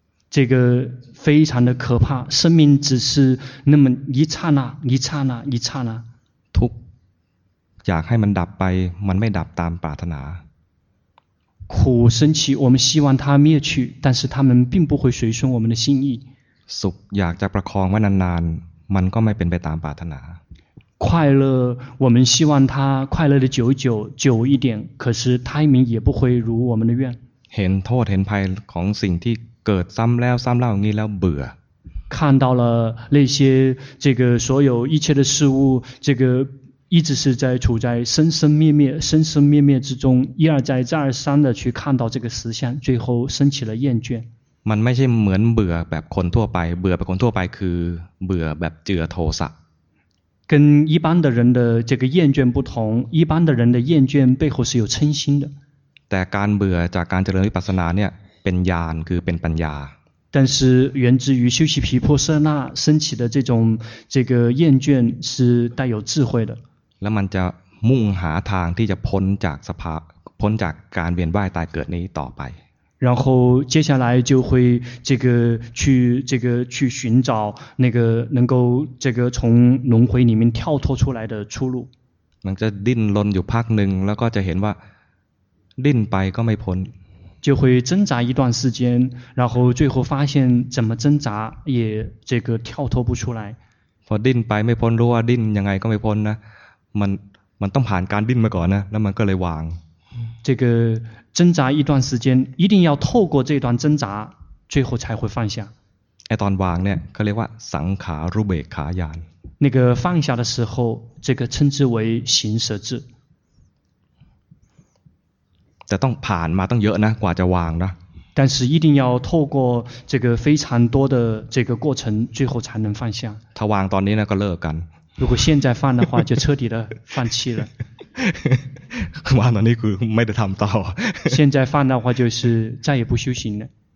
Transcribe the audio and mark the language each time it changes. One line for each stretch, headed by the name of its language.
Chinese: 这个非常的可怕生命只是那么一刹那一刹那一刹那
Thai: ทุกอยากให้มันดับไปมันไม่ดับตามปรารถนา
Chinese: 苦升起我们希望它灭去但是它们并不会随顺我们的心意
Thai: สุขอยากจะประคองไว้นานๆมันก็ไม่เป็นไปตามปรารถนา
Chinese: 快乐我们希望它快乐的久久久一点可是胎明也不会如我们的愿
Thai: เห็นโทษเห็นภัยของสิ่งที่เกิดซ้ำแล้วซ้ำเล่าอย่างนี้แล้วเบื่อ
Chinese: 看到了那些这个所有一切的事物这个一直是在处在生生灭灭生生灭灭之中一而再再而三的去看到这个实相最后生起了厌倦
Thai: มันไม่ใช่เหมือนเบื่อแบบคนทั่วไปเบื่อแบบคนทั่วไปคือเบื่อแบบเจือโทสะ
Chinese: 跟一般的人的这个厌倦不同一般的人的厌倦背后是有嗔心的
Thai: แต่การเบื่อจากการเจริญวิปัสสนาเนี่ยเป็นญาณคือเป็นปัญญา
Chinese: 但是源自于修习毗婆舍那升起的这个厌倦是带有智慧的
Thai: แล้วมันจะมุ่งหาทางที่จะพ้นจากสภาพ้นจากการเวียนว่ายตายเกิดนี้ต่อไป
Chinese: 然后接下来就会去寻找那个能够这个从轮回里面跳脱出来的出路
Thai: มันจะดิ้นรนอยู่พักหนึ่งแล้วก็จะเห็นว่าดิ้นไปก็ไม่พ้น
Chinese: 就会挣扎一段时间然后最后发现怎么挣扎也这个跳脱不出来
Thai: พอดิ้นไปไม่พ้นรู้ว่าดิ้นยังไงก็ไม่พ้นนะมันต้องผ่านการดิ้นมาก่อนนะแล้วมันก็เลยวาง
Chinese: 这个挣扎一段时间一定要透过这段挣扎最后才会放下
Thai: ไอ้ตอนวางเนี่ยเขาเรียกว่าสังขารุเบกขาญาณ
Chinese: 那个放下的时候这个称之为行舍智
Thai: แต่ต้องผ่านมาต้องเยอะนะกว่าจะวางนะ
Chinese: 但是一定要透过这个非常多的这个过程最后才能放下
Thai: ถ้าวางตอนนี้นะก็เลิกกัน
Chinese: 如果现在放的话就彻底的放弃了
Thai: วางตอนนี้คือไม่ได้ทำต่อ
Chinese: 现在放的话就是再也不修行了